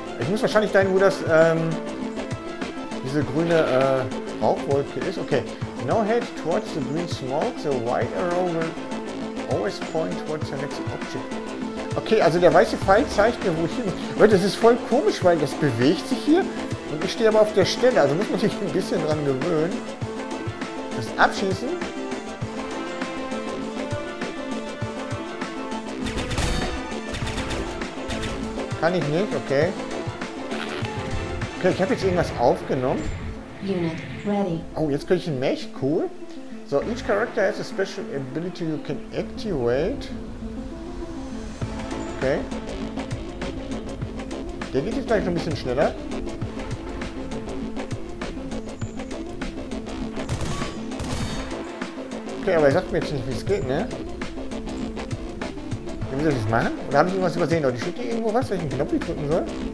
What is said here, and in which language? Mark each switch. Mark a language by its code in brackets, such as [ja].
[de] Ich muss wahrscheinlich dahin, wo das diese grüne Rauchwolke ist. Okay. [en] Now head towards the green smoke. The white arrow will always point towards the next object. [de] Okay, also der weiße Pfeil zeigt mir, wo ich hin. Leute, das ist voll komisch, weil das bewegt sich hier. Und ich stehe aber auf der Stelle. Also muss man sich ein bisschen dran gewöhnen. Das Abschießen. Kann ich nicht, okay. Okay, ich habe jetzt irgendwas aufgenommen. [en] Unit ready. [de] Oh, jetzt kriege ich einen Mech, cool. [en] So, each character has a special ability you can activate. [de] Okay. Der geht jetzt gleich noch ein bisschen schneller. Okay, aber er sagt mir jetzt nicht, wie es geht, ne? Wie soll ich das machen? Oder haben die irgendwas übersehen? Oder steht hier irgendwo was, welchen Knopf ich drücken soll?